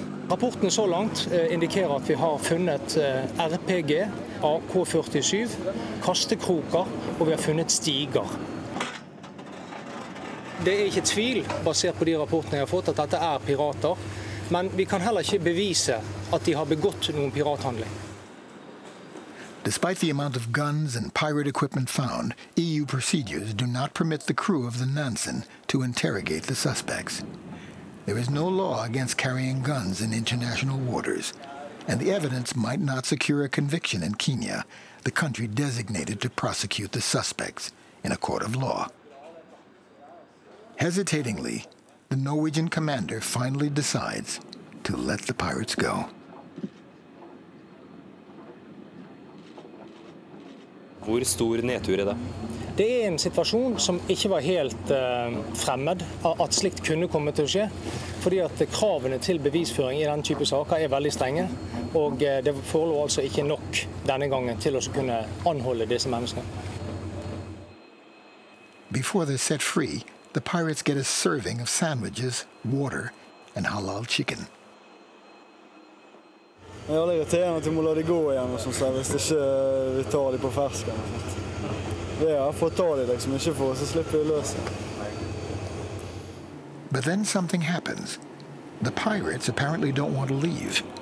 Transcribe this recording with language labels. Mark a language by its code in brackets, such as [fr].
[no] Rapporten så langt indikerer at vi har funnet RPG AK-47, kastekroker, og vi har funnet stiger. Det er ikke tvil, basert på de rapportene jeg har fått, at dette er pirater. Men vi kan heller ikke bevise at de har begått noen pirathandling. [en] Despite the amount of guns and pirate equipment found, EU procedures do not permit the crew of the Nansen to interrogate the suspects. There is no law against carrying guns in international waters, and the evidence might not secure a conviction in Kenya, the country designated to prosecute the suspects in a court of law. Hesitatingly, the Norwegian commander finally decides to let the pirates go. [no] Hvor stor nedtur er det? Det er en situasjon som ikke var helt fremmed av at slikt kunne komme til å skje. Fordi at kravene til bevisføring i denne type saker er veldig strenge. Og det forelå altså ikke nok denne gangen til å kunne anholde disse menneskene. [en] Before they're set free, the pirates get a serving of sandwiches, water and halal chicken. [no] Jeg har irriterende at vi må la dem gå igjen og sånn, hvis ikke vi ikke tar dem på fersken. Det er for å ta dem, liksom, ikke for oss, så slipper vi løse. [en] But then something happens. The pirates apparently don't want to leave.